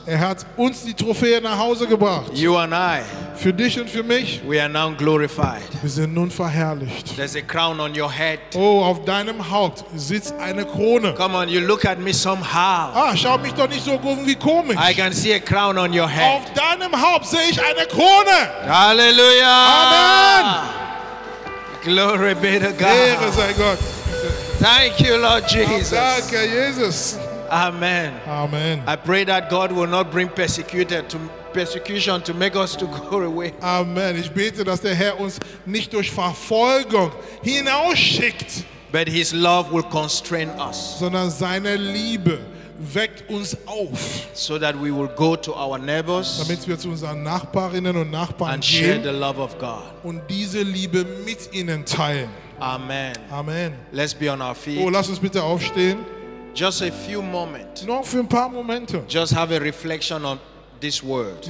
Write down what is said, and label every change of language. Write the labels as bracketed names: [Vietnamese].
[German] Er hat uns die Trophäe nach Hause gebracht. [English] You and I. [German] Für dich und für mich. [English] We are now glorified. [German] Wir sind nun verherrlicht. [English] There's a crown on your head. [German] Oh, auf deinem Haupt sitzt eine Krone. [English] Come on, you look at me somehow. [German] Ah, schau mich doch nicht so irgendwie komisch. [English] I can see a crown on your head. [German] Auf deinem Haupt sehe ich eine Krone. Halleluja. Amen. [English] Glory be to God. [German] Ehre sei Gott. [English] Thank you, Lord Jesus. [German] Danke, Jesus. Amen. Amen. [English] I pray that God will not bring persecution to make us to go away. Amen. [German] Ich bete, dass der Herr uns nicht durch Verfolgung hinausschickt. [English] But his love will constrain us. [German] Sondern seine Liebe weckt uns auf. [English] So that we will go to our neighbors. [German] Damit wir zu unseren Nachbarinnen und Nachbarn gehen. [English] And share the love of God. [German] Und diese Liebe mit ihnen teilen. Amen. Amen. [English] Let's be on our feet. [German] Oh, lass uns bitte aufstehen. [English] Just a few moments. [German] Nur für ein paar Momente. [English] Just have a reflection on this word.